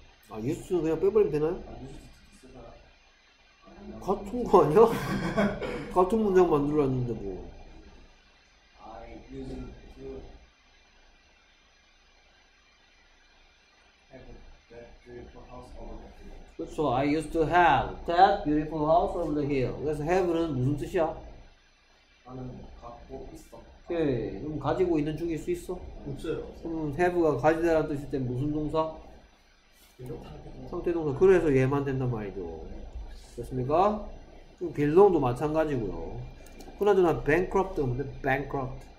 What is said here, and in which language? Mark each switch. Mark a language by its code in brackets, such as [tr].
[ko] 아, 유스 그냥 빼버리면 되나요? 아, 유스 같은 거 아니야? 같은 문장 만들어놨는데 뭐. [en] I use to have that beautiful house over the hill. [ko] 그렇죠. [en] I used to have that beautiful house over the hill. [ko] 그래서 have는 무슨 뜻이야? 나는 갖고 있어. 오케이. 그럼 가지고 있는 중일 수 있어? 없어요. 그럼 have가 가지다라는 뜻일 때 무슨 동사? 빌롱. 상태동사. 그래서 얘만 된단 말이죠. 됐습니까? 빌롱도 마찬가지고요. 그나저나 bankrupt 하면 bankrupt